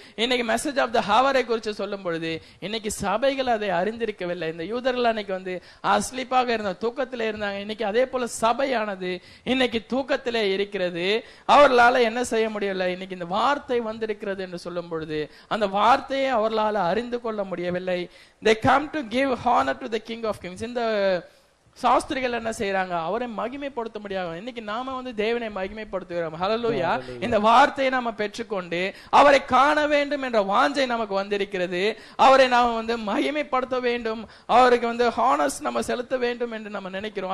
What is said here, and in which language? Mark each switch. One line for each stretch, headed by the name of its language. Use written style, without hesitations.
Tamil: இன்னைக்கு message of the ஹவரை குறித்து சொல்லும் பொழுது இன்னைக்கு சபைகள் அதை அறிந்திருக்கவில்லை. இந்த யூதர்கள் அன்னைக்கு வந்து அஸ்லீப்பாக இருந்த தூக்கத்தில் இருந்தாங்க. இன்னைக்கு அதே போல சபையானது இன்னைக்கு தூக்கத்திலே இருக்கிறது. அவர்களால் என்ன செய்ய முடியவில்லை. இன்னைக்கு இந்த வார்த்தை வந்திருக்கிறது என்று சொல்லும் பொழுது அந்த வார்த்தையை அவர்களால் அறிந்து கொள்ள முடியவில்லை.
English: They come to give honor to the king of kings.
Tamil: இந்த சாஸ்திரிகள் என்ன செய்யறாங்க, அவரை மகிமைப்படுத்த முடியாது. இன்னைக்கு நாம வந்து தேவனை மகிமைப்படுத்துகிறோம். ஹல்லேலூயா. இந்த வார்த்தையை நாம பெற்றுக்கொண்டு அவரை காண வேண்டும் என்ற வாஞ்சை நமக்கு வந்திருக்கிறது. அவரை நாம வந்து மகிமைப்படுத்த வேண்டும், அவருக்கு வந்து ஹானர்ஸ் நம்ம செலுத்த வேண்டும் என்று நம்ம நினைக்கிறோம்.